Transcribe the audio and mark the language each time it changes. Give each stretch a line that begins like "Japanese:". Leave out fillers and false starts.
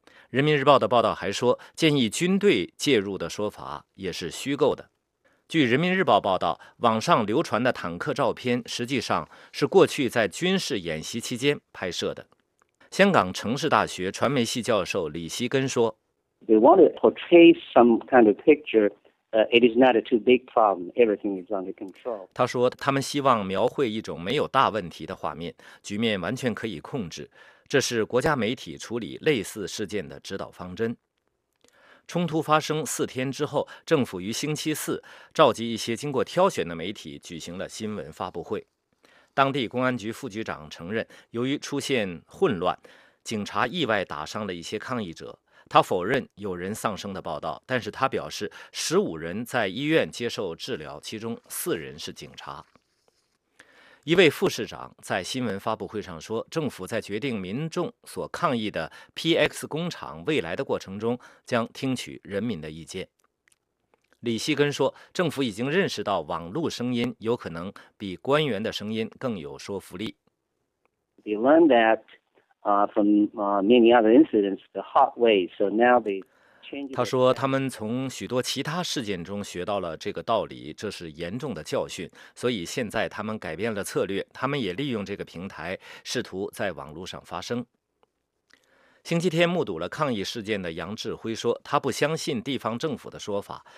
Chinese: 人民日报的报道还说，建议军队介入的说法也是虚构的。据人民日报报道，网上流传的坦克照片实际上是过去在军事演习期间拍摄的。香港城市大学传媒系教授李希根说，
English: They want to portray some kind of picture. It is not a too big problem. Everything is under control.
Chinese: 他说他们希望描绘一种没有大问题的画面，局面完全可以控制。这是国家媒体处理类似事件的指导方针。冲突发生四天之后，政府于星期四召集一些经过挑选的媒体举行了新闻发布会。当地公安局副局长承认，由于出现混乱，警察意外打伤了一些抗议者。他否认有人丧生的报道，但是他表示15人在医院接受治疗，其中4人是警察。一位副市长在新闻发布会上说，政府在决定民众所抗议的 PX 工厂未来的过程中，将听取人民的意见。李希根说，政府已经认识到网络声音有可能比官员的声音更有说服力。
English: We learned that from many other incidents, the hot way, so now they change.
Chinese: 他说，他们从许多其他事件中学到了这个道理，这是严重的教训，所以现在他们改变了策略，他们也利用这个平台试图在网络上发声。星期天目睹了抗议事件的杨志辉说，他不相信地方政府的说法。